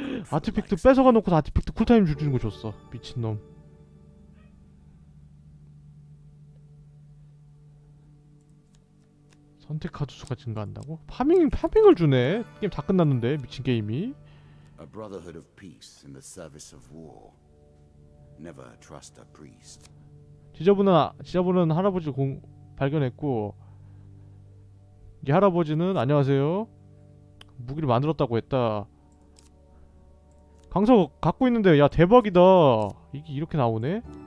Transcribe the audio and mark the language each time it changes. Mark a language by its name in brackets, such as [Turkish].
[Korean] 아티팩트 뺏어가 놓고 아티팩트 쿨타임 주는 거 줬어 미친놈. 선택 카드 수가 증가한다고? 파밍을 주네. 게임 다 끝났는데 미친 게임이. [English] A brotherhood of peace in the service of war. Never trust a priest. [Korean] 지저분한 할아버지를 발견했고 이 할아버지는 안녕하세요. 무기를 만들었다고 했다. 강석 갖고 있는데 야 대박이다. 이게 이렇게 나오네.